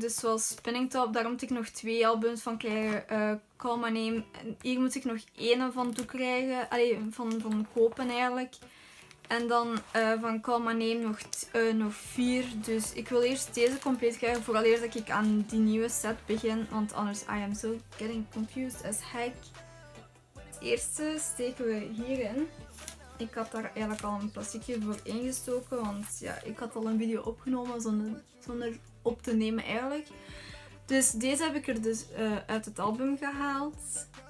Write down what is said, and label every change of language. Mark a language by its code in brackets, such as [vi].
[nl] Dus zoals Spinning Top. Daar moet ik nog 2 albums van krijgen. Call My Name. En hier moet ik nog 1 van toekrijgen. Allee, van kopen eigenlijk. En dan van Call My Name nog 4. Dus ik wil eerst deze compleet krijgen. Vooral eerst dat ik aan die nieuwe set begin. Want anders [en] I am so getting confused as heck. [nl] Het eerste steken we hierin. Ik had daar eigenlijk al een plastiekje voor ingestoken, want ja, ik had al een video opgenomen zonder op te nemen eigenlijk. Dus deze heb ik er dus uit het album gehaald.